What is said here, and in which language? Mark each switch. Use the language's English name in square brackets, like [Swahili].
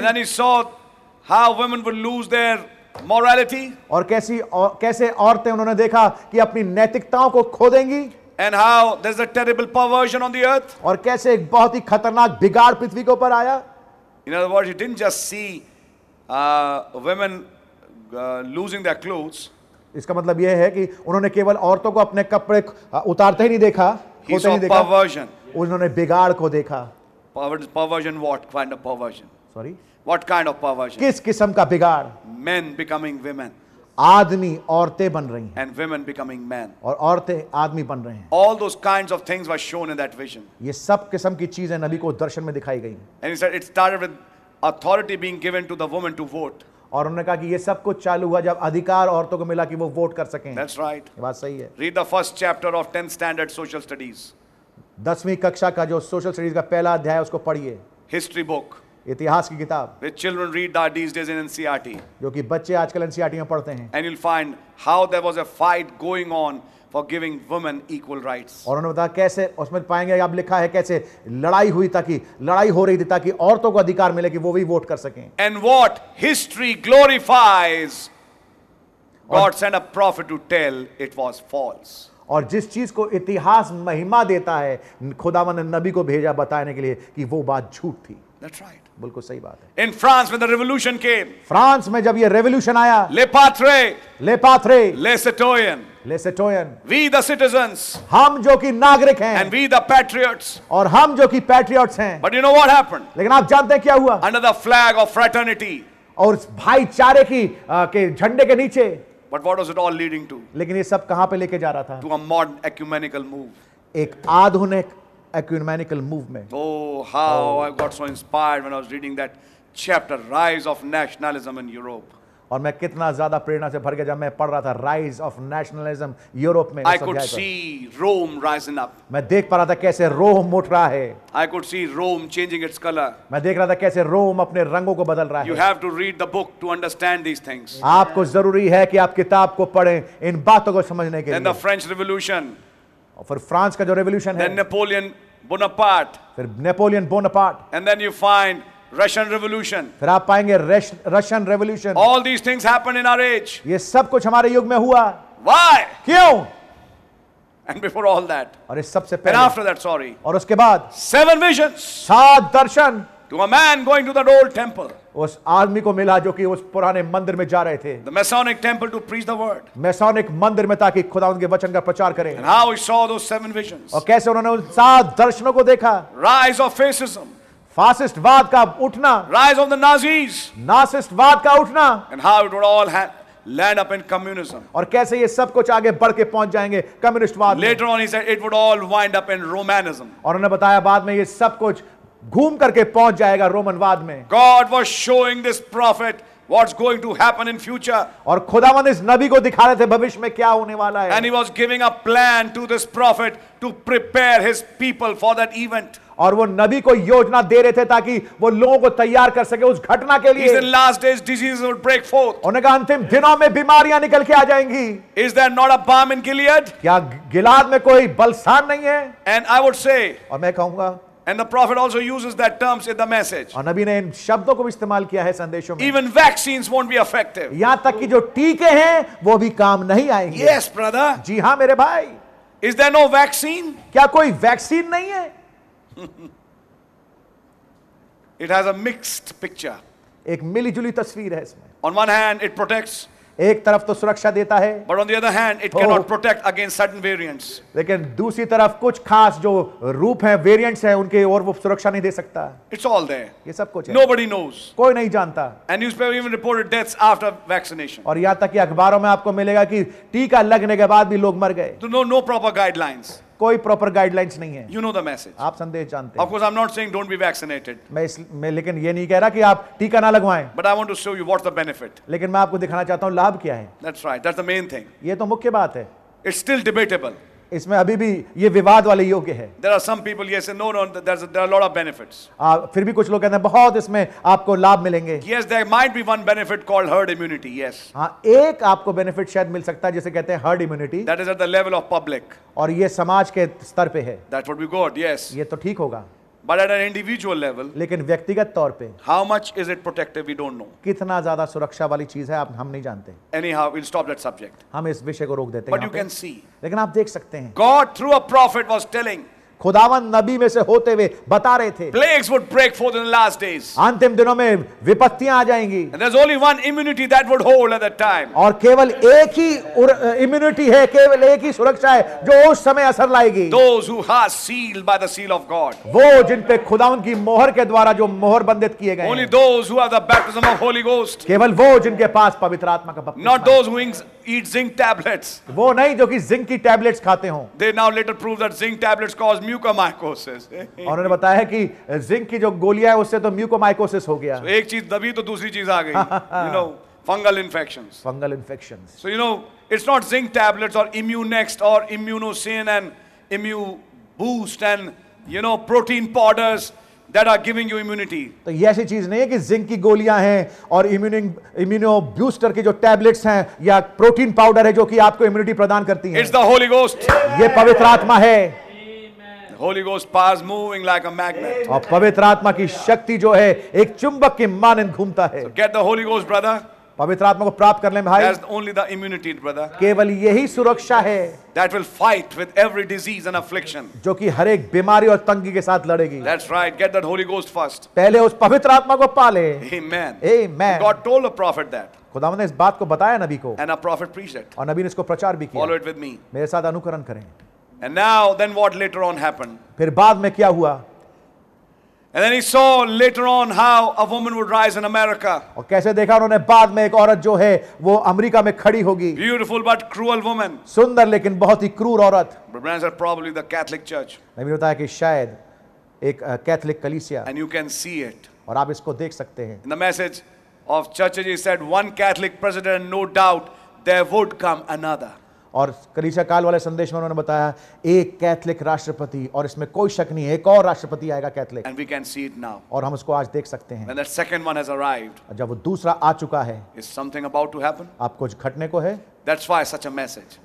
[English] And then he saw how women would lose their morality. [Hindi] और कैसी कैसे औरतें उन्होंने देखा कि अपनी नैतिकताओं को खो देंगी. [English] And how there's a terrible perversion on the earth. [Hindi] और कैसे एक बहुत ही खतरनाक बिगाड़ पृथ्वी के ऊपर आया. [English] In other words, he didn't just see women losing their clothes. [Hindi] इसका मतलब यह है कि उन्होंने केवल औरतों को अपने कपड़े उतारते ही नहीं देखा, खोते नहीं देखा. [English] Perversion. [Hindi] उन्होंने बिगाड़ को देखा. [English] Perversion, what kind of perversion? Sorry? What kind of perversion? [Hindi] किस किस्म का बिगाड़? [English] Men becoming women. [Hindi] आदमी औरतें बन रही हैं. [English] And women becoming men. [Hindi] और औरतें आदमी बन रहे हैं. [English] All those kinds of things were shown in that vision. [Hindi] ये सब किस्म की चीजें नबी को दर्शन में दिखाई गई. [English] And he said it started with authority being given to the woman to vote. [Hindi] और उन्होंने कहा कि ये सब कुछ चालू हुआ जब अधिकार औरतों को मिला कि वो वोट कर सकें। [English] That's right. [Hindi] ये बात सही है। [English] Read the first chapter of 10th standard social studies. [Hindi] दसवीं कक्षा का जो सोशल स्टडीज का पहला अध्याय उसको पढ़िए। [English] History book. [Hindi] इतिहास की किताब। [English] Which children read that these days in NCERT. [Hindi] जो कि बच्चे आजकल NCERT में पढ़ते हैं। [English] And you'll find how there was a fight going on for giving women equal rights. [Hindi] और उन्होंने बताया कैसे उसमें पाएंगे आप लिखा है कैसे लड़ाई हुई ताकि लड़ाई हो रही थी ताकि औरतों को अधिकार मिले कि वो भी वोट कर सकें। [English] And what history glorifies, God sent a prophet to tell it was false. [Hindi] और जिस चीज को इतिहास महिमा देता है खुदावन ने नबी को भेजा बताने के लिए कि वो बात झूठ थी। [English] That's right. [Hindi] बिल्कुल सही बात है। [English] In France, when the revolution came, [Hindi] France में जब ये रेवोल्यूशन आया, [French] Le Patre, Le Citoyen, [English] we the citizens, [Hindi] हम जो कि नागरिक हैं, [English] and we the patriots, [Hindi] और हम जो कि पैट्रियट्स हैं, [English] but you know what happened? [Hindi] लेकिन आप जानते हैं क्या हुआ? [English] Under the flag of fraternity, [Hindi] और भाईचारे की के झंडे के नीचे, [English] but what was it all leading to? [Hindi] लेकिन ये सब कहाँ पे लेके जा रहा था? [English] To a modern ecumenical move, [Hindi] एक आधुनिक ecumenical movement. [English] Oh, how I got so inspired when I was reading that chapter, Rise of Nationalism in Europe. [Hindi] और मैं कितना ज़्यादा प्रेरणा से भर गया जब मैं पढ़ रहा था Rise of Nationalism Europe में। [English] I could see Rome rising up. [Hindi] मैं देख पा रहा था कैसे रोम उठ रहा है। [English] I could see Rome changing its color. [Hindi] मैं देख रहा था कैसे रोम अपने रंगों को बदल रहा है। [English] You have to read the book to understand these things. [Hindi] आपको जरूरी है कि आप किताब को पढ़ें इन बातों को समझने के लिए। [English] Then the French Revolution. [Hindi] और फिर फ्रांस का जो रेवोल्यूशन है। [English] Then Napoleon Bonaparte. [Hindi] फिर Napoleon Bonaparte. [English] And then you find Russian Revolution. [Hindi] फिर आप पाएंगे Russian revolution. [English] All these things happen in our age. [Hindi] ये सब कुछ हमारे युग में हुआ। [English] Why? [Hindi] क्यों? [English] And before all that. [Hindi] और इस सबसे पहले। [English] And after that, sorry. [Hindi] और उसके बाद। [English] Seven visions. [Hindi] सात दर्शन। [English] To a man going to the old temple. [Hindi] उस आदमी को मिला जो कि उस पुराने मंदिर में जा रहे थे। [English] The Masonic temple to preach the word. [Hindi] Masonic मंदिर में ताकि खुदावंद के वचन का प्रचार करें। [English] And how he saw those seven visions. [Hindi] और कैसे उन्होंने उन सात दर्शनों को देखा। [English] Rise of fascism. [Hindi] फासिस्टवाद का उठना। [English] Rise of the Nazis. [Hindi] नासिस्टवाद का उठना। [English] And how it would all land up in communism. [Hindi] और कैसे ये सब कुछ आगे बढ़ के पहुंच जाएंगे कम्युनिस्टवाद। [English] Later on he said it would all wind up in Romanism. [Hindi] और उन्होंने बताया बाद में ये सब कुछ घूम करके पहुंच जाएगा रोमनवाद में। [English] God was showing this prophet what's going to happen in future. [Hindi] और खुदावंद इस नबी को दिखा रहे थे भविष्य में क्या होने वाला है। [English] And he was giving a plan to this prophet to prepare his people for that event. [Hindi] और वो नबी को योजना दे रहे थे ताकि वो लोगों को तैयार कर सके उस घटना के लिए। [English] In last days diseases would break forth. [Hindi] उन्होंने कहा अंतिम दिनों में बीमारियां निकल के आ जाएंगी। [English] Is there not a balm in Gilead? [Hindi] क्या गिलाद में कोई बलसान नहीं है? [English] And I would say. [Hindi] और मैं कहूंगा। [English] And the prophet also uses that terms in the message. [Hindi] और नबी ने इन शब्दों को भी इस्तेमाल किया है संदेशों में। [English] Even vaccines won't be effective. [Hindi] यहाँ तक कि जो टीके हैं, वो भी काम नहीं आएंगे। [English] Yes, brother. [Hindi] जी हाँ मेरे भाई। [English] Is there no vaccine? [Hindi] क्या कोई वैक्सीन नहीं है? [English] It has a mixed picture. [Hindi] एक मिलीजुली तस्वीर है इसमें। [English] On one hand, it protects. [Hindi] एक तरफ तो सुरक्षा देता है। [English] But on the other hand, it cannot protect against certain variants. [Hindi] लेकिन दूसरी तरफ कुछ खास जो रूप हैं, variants हैं, उनके और वो सुरक्षा नहीं दे सकता। [English] It's all there. [Hindi] ये सब कुछ है। [English] Nobody knows. [Hindi] कोई नहीं जानता। [English] And newspaper even reported deaths after vaccination. [Hindi] और यहाँ तक कि अखबारों में आपको मिलेगा कि टीका लगने के बाद भी लोग मर गए। [English] So no proper guidelines. [Hindi] कोई प्रॉपर गाइडलाइंस नहीं है। [English] You know the message. [Hindi] आप संदेश जानते हैं। [English] Of course, I'm not saying don't be vaccinated. [Hindi] मैं लेकिन ये नहीं कह रहा कि आप टीका ना लगवाएं। [English] But I want to show you what's the benefit. [Hindi] लेकिन मैं आपको दिखाना चाहता हूँ लाभ क्या है। [English] That's right. That's the main thing. [Hindi] ये तो मुख्य बात है। [English] It's still debatable. [Hindi] इसमें अभी भी ये विवाद वाले योग्य है। [English] There are some people yes and no. There are a lot of benefits. [Hindi] फिर भी कुछ लोग कहते हैं बहुत इसमें आपको लाभ मिलेंगे। [English] Yes, there might be one benefit called herd immunity. Yes. [Hindi] हाँ, एक आपको benefit शायद मिल सकता है जिसे कहते हैं herd immunity. [English] That is at the level of public. [Hindi] और ये समाज के स्तर पे है। [English] That would be good. Yes. [Hindi] ये तो ठीक होगा। [English] But at an individual level. [Hindi] लेकिन व्यक्तिगत तौर पे। [English] How much is it protective? We don't know. [Hindi] कितना ज़्यादा सुरक्षा वाली चीज़ है आप हम नहीं जानते। [English] Anyhow, we'll stop that subject. [Hindi] हम इस विषय को रोक देते हैं। [English] But you can see. [Hindi] लेकिन आप देख सकते हैं। [English] God through a prophet was telling. [Hindi] खुदावन नबी में से होते हुए बता रहे थे। [English] Plagues would break forth in the last days. [Hindi] अंतिम दिनों में विपत्तियां आ जाएंगी। [English] And there's only one immunity that would hold at that time. [Hindi] और केवल एक ही इम्यूनिटी है, केवल एक ही सुरक्षा है जो उस समय असर लाएगी। [English] Those who are sealed by the seal of God. [Hindi] वो जिन पे खुदावन की मोहर के द्वारा जो मोहर बंधित किए गए। [English] Only those who have the baptism of Holy Ghost. [Hindi] केवल वो जिनके पास पवित्र आत्मा का बपतिस्मा। [English] Not those who eat zinc tablets. [Hindi] वो नहीं जो कि जिंक की टैबलेट्स खाते हो। [English] They now later prove that zinc tablets cause [Hindi] mucormycosis. उन्होंने बताया कि जिंक की जो गोलियां है उससे तो म्यूकोमाइकोसिस हो गया। एक चीज दबी तो दूसरी चीज आ गई, [English] You know fungal infections. [Hindi] Fungal infections. [English] So you know it's not zinc tablets और Immunext और Immunocin and Immuboost and you know protein powders that are giving you immunity. [Hindi] तो ये ऐसी चीज़ नहीं है कि जिंक की गोलियां हैं और इम्यूनो बूस्टर के जो टैबलेट्स हैं या प्रोटीन पाउडर है जो कि आपको इम्यूनिटी प्रदान करती है। [English] It's the Holy Ghost. [Hindi] ये पवित्र आत्मा है। [English] Holy Ghost powers moving like a magnet. [Hindi] और पवित्र आत्मा की शक्ति जो है एक चुंबक के मानन घूमता है। [English] So get the Holy Ghost, brother. [Hindi] पवित्र आत्मा को प्राप्त करने में भाई। [English] That's only the immunity, brother. [Hindi] केवल यही सुरक्षा है। [English] That will fight with every disease and affliction. [Hindi] जो कि हर एक बीमारी और तंगी के साथ लड़ेगी। [English] That's right. Get that Holy Ghost first. [Hindi] पहले उस पवित्र आत्मा को पाले। [English] Amen. Amen. God told the prophet that. [Hindi] खुदावन ने इस बात को बताया नबी को। [English] And a prophet preached it. [Hindi] और नबी ने इसको प्रचार भी किया। [English] Follow it with me. [Hindi] मेरे साथ अनुकरण करें। [English] And now, then what later on happened? [Hindi] फिर बाद में क्या हुआ? [English] And then he saw later on how a woman would rise in America. [Hindi] और कैसे देखा उन्होंने बाद में एक औरत जो है वो अमेरिका में खड़ी होगी। [English] Beautiful but cruel woman. [Hindi] सुंदर लेकिन बहुत ही क्रूर औरत। [English] Brothers are probably the Catholic Church. [Hindi] नबी ने बताया कि शायद एक कैथोलिक कलीसिया। [English] And you can see it. [Hindi] और आप इसको देख सकते हैं। [English] In the message of churches, he said one Catholic president, no doubt there would come another. [Hindi] और कलीसिया काल वाले संदेश में उन्होंने बताया एक कैथोलिक राष्ट्रपति और इसमें कोई शक नहीं है एक और राष्ट्रपति आएगा Catholic [English] and we can see it now [Hindi] और हम उसको आज देख सकते हैं [English] and the second one has arrived [Hindi] जब वो दूसरा आ चुका है [English] is something about to happen [Hindi] आप कुछ घटने को है [English] that's why such a message